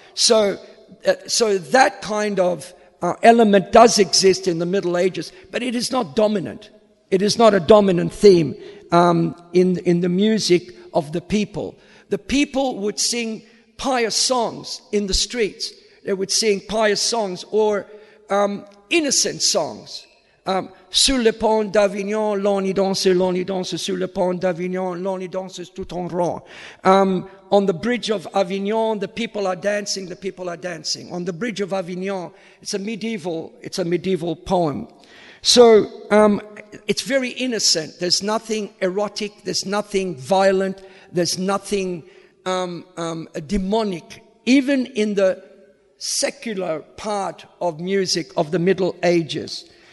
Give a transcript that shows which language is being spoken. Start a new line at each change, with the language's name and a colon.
English: So that kind of element does exist in the Middle Ages, but it is not dominant. It is not a dominant theme in the music of the people. The people would sing pious songs in the streets. They would sing pious songs or innocent songs.
French: Sur le pont d'Avignon, l'on y danse, l'on y danse. Sur le pont d'Avignon, l'on y danse tout en rond.
English: On the bridge of Avignon, the people are dancing, the people are dancing. On the bridge of Avignon, it's a medieval poem. So it's very innocent. There's nothing erotic, there's nothing violent, there's nothing demonic, even in the secular part of music of the Middle Ages.